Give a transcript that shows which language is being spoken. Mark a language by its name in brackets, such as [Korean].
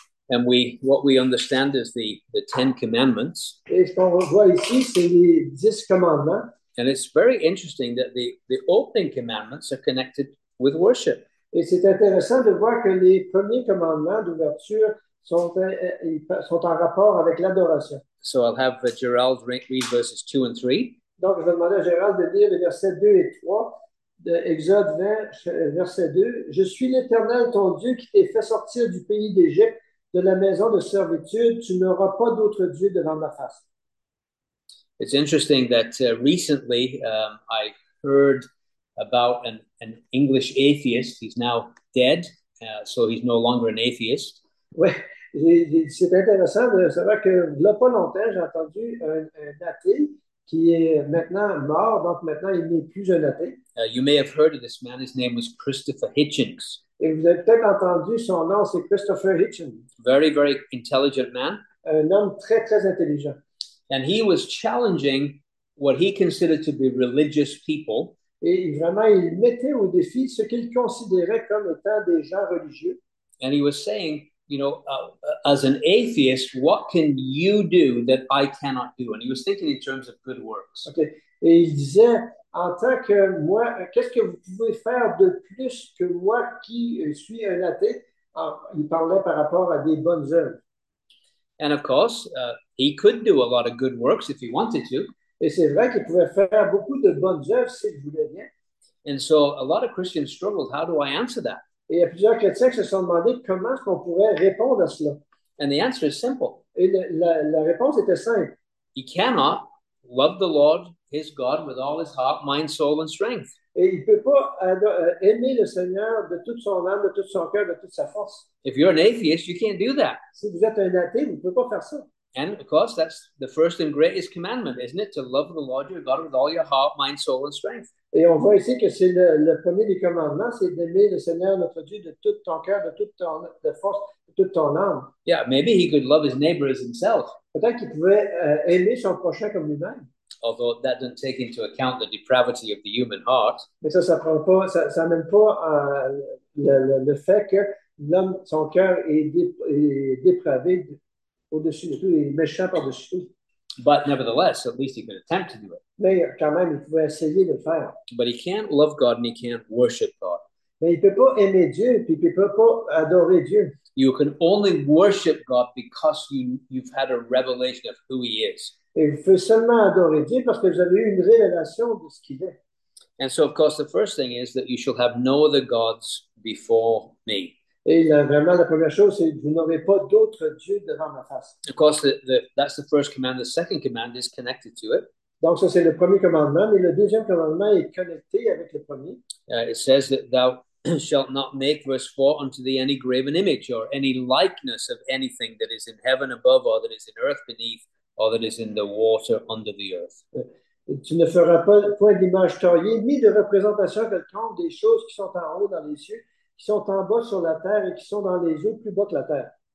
[English] And what we understand is the Ten Commandments. [French] Et ce qu'on voit ici, c'est les 10 commandements. [English] And it's very interesting that the opening commandments are connected with worship. [French] Et c'est intéressant de voir que les premiers commandements d'ouverture sont en rapport avec l'adoration. [English] So I'll have Gerald read verses 2 and 3. [French] Donc, je vais demander à Gérald de lire les versets 2 et 3 de Exode 20, verset 2. Je suis l'Éternel, ton Dieu, qui t'ai fait sortir du pays d'Égypte, de la maison de servitude. Tu n'auras pas d'autre Dieu devant ma face. [English] It's interesting that recently I heard about an English atheist. He's now dead, so he's no longer an atheist. [French] Oui, c'est intéressant de savoir que il n'y a pas longtemps, j'ai entendu un athée qui est maintenant mort, donc maintenant il n'est plus un athée. [English] You may have heard of this man. His name was Christopher Hitchens. [French] Et vous avez peut-être entendu son nom, c'est Christopher Hitchens. [English] Very, very intelligent man. [French] Un homme très, très intelligent. [English] And he was challenging what he considered to be religious people. [French] Et vraiment, il mettait au défi ce qu'il considérait comme étant des gens religieux. [English] And he was saying, you know, as an atheist, what can you do that I cannot do? And he was thinking in terms of good works. Okay. [French] Et il disait, en tant que moi, qu'est-ce que vous pouvez faire de plus que moi qui suis un athée? Alors, il parlait par rapport à des bonnes œuvres. [English] And of course, he could do a lot of good works if he wanted to. [French] Et c'est vrai qu'il pouvait faire beaucoup de bonnes œuvres s'il voulait bien. [English] And so a lot of Christians struggled. How do I answer that? [French] Et il y a plusieurs chrétiens qui se sont demandé comment est-ce qu'on pourrait répondre à cela. [English] And the answer is simple. [French] Et la réponse était simple. [English] He cannot love the Lord, his God, with all his heart, mind, soul, and strength. [French] Et il ne peut pas aimer le Seigneur de toute son âme, de tout son cœur, de toute sa force. [English] If you're an atheist, you can't do that. [French] Si vous êtes un athée, vous ne pouvez pas faire ça. [English] And of course, that's the first and greatest commandment, isn't it? To love the Lord your God with all your heart, mind, soul, and strength. [French] Et on voit ici que c'est le premier des commandements, c'est d'aimer le Seigneur notre Dieu de tout ton cœur, de toute ton de force, de toute ton âme. [English] Yeah, maybe he could love his neighbor as himself. [French] Peut-être qu'il pouvait aimer son prochain comme lui-même. [English] Although that doesn't take into account the depravity of the human heart. [French] Mais ça prend pas, ça mène pas à le fait que l'homme, son cœur est dépravé au-dessus de tout, est méchant par-dessus tout. [English] But nevertheless, at least he could attempt to do it. [French] Mais quand même, il pouvait essayer de le faire. [English] But he can't love God and he can't worship God. [French] Mais il peut pas aimer Dieu puis il peut pas adorer Dieu. [English] You can only worship God because you've had a revelation of who he is. [French] Et vous pouvez seulement adorer Dieu parce que vous avez eu une révélation de ce qu'il est. [English] And so, of course, the first thing is that you shall have no other gods before me. [French] Et là, vraiment, la première chose, c'est que vous n'aurez pas d'autre Dieu devant ma face. [English] Of course, that's the first command. The second command is connected to it. [French] Donc, ça, c'est le premier commandement, mais le deuxième commandement est connecté avec le premier. [English] It says that thou shalt not make, verse 4, unto thee any graven image or any likeness of anything that is in heaven above or that is in earth beneath or that is in the water under the earth. [French] Tu ne feras point d'image taillée ni de représentation quelconque des choses qui sont en haut dans les cieux, qui sont en bas sur la terre et qui sont dans les eaux plus bas que la terre.